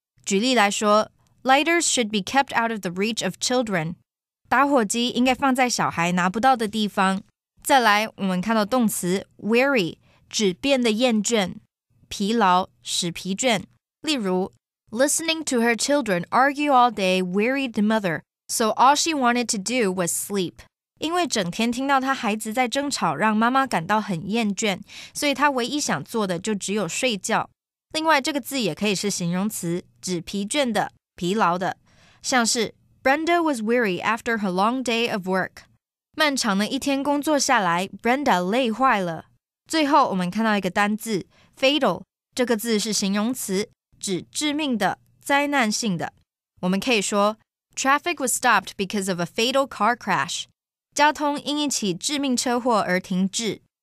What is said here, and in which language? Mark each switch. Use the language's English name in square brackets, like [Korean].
[Chinese] 举例来说 [English] ,lighters should be kept out of the reach of children. [Chinese] 打火机应该放在小孩拿不到的地方。再来我们看到动词 weary, 指变得厌倦疲劳使疲倦。例如 [English] ,listening to her children argue all day wearied the mother, so all she wanted to do was sleep. [Chinese] 因为整天听到他孩子在争吵让妈妈感到很厌倦所以他唯一想做的就只有睡觉。另外这个字也可以是形容词指疲倦的疲劳的。像是 [English] Brenda was weary after her long day of work. [Chinese] 漫长的一天工作下来 Brenda 累坏了。最后我们看到一个单字 fatal, 这个字是形容词指致命的灾难性的。我们可以说 [English] Traffic was stopped because of a fatal car crash. [Chinese] 交通因一起致命车祸而停滞。